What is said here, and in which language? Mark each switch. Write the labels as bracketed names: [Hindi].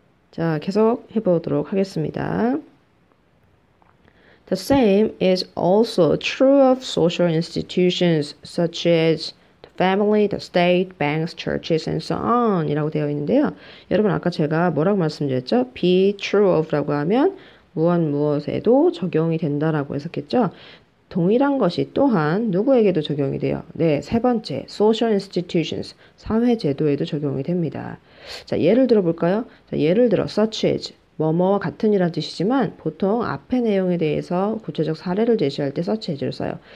[Korean] 자, 계속 해보도록 하겠습니다. [English] The same is also true of social institutions such as family, the state, banks, churches, and so on [Korean] 이라고 되어 있는데요. 여러분, 아까 제가 뭐라고 말씀드렸죠? Be true of라고 하면 무언 무엇에도 적용이 된다라고 해석했죠. 동일한 것이 또한 누구에게도 적용이 돼요. 네, 세 번째, social institutions, 사회 제도에도 적용이 됩니다. 자, 예를 들어볼까요? 자, 예를 들어, such as, 뭐뭐와 같은이란 뜻이지만 보통 앞에 내용에 대해서 구체적 사례를 제시할 때 such as를 써요.